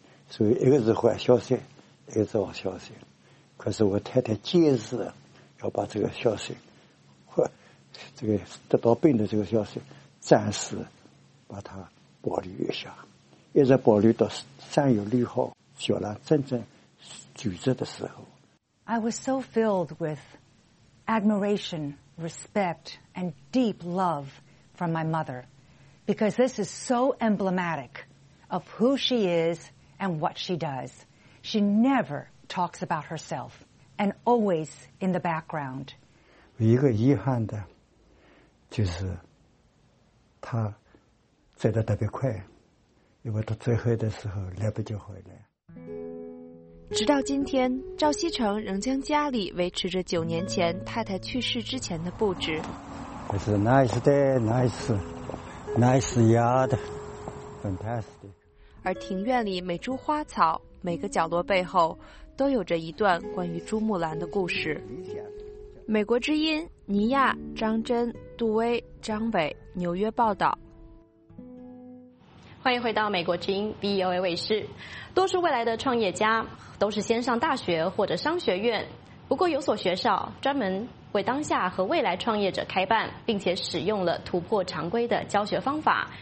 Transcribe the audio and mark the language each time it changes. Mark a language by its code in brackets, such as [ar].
[zh] 所以一个是坏消息，一个是好消息。可是我太太坚持要把这个消息，或这个得到病的这个消息，暂时把它保留一下，一直保留到三月六号小兰真正举职的时候。 [en] I was so filled with admiration, respect, and deep love from my mother, because this is so emblematic of who she is. And what she does. She never talks about herself and always in the background. [zh] 一个遗憾的就是她走得特别快，因为她最后的时候来不及回来。直到今天，赵锡成仍将家里维持着九年前太太去世之前的布置。这是 [en] nice day, nice, nice yard, fantastic. [zh] 而庭院里每株花草每个角落背后都有着一段关于朱木兰的故事。美国之音尼亚张真杜威张伟纽约报道。欢迎回到美国之音 VOA 卫视。多数未来的创业家都是先上大学或者商学院，不过有所学校专门为当下和未来创业者开办，并且使用了突破常规的教学方法。